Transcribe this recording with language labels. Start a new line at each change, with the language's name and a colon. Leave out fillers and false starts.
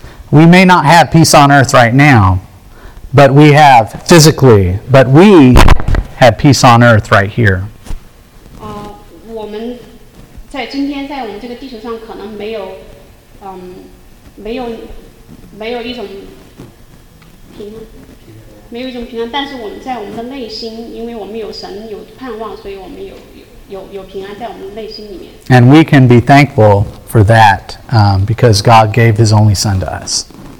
English: We may not have peace on earth right now, but we have physically, but we have peace on earth right here.
Chinese: 我们在今天在我们这个地球上可能没有一种平安，但是我们在我们的内心，因为我们有神有盼望，所以我们有平安在我们的内心里面。
English: And we can be thankful for that, because God gave His only Son to us.